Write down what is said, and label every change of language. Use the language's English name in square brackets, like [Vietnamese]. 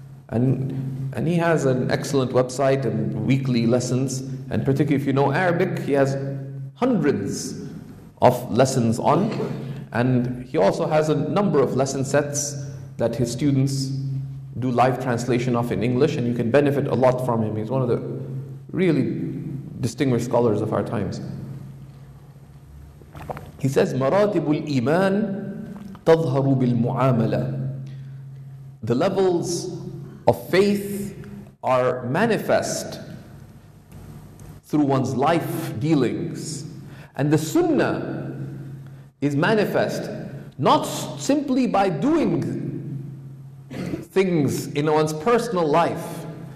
[English] and he has an excellent website and weekly lessons, and particularly if you know Arabic, he has hundreds of lessons on, and he also has a number of lesson sets that his students do live translation of in English, and you can benefit a lot from him. He's one of the really distinguished scholars of our times. [Arabic] He says, مراتب الإيمان تظهر بالمعاملة. [English] The levels of faith are manifest through one's life dealings. And the sunnah is manifest not simply by doing things in one's personal life.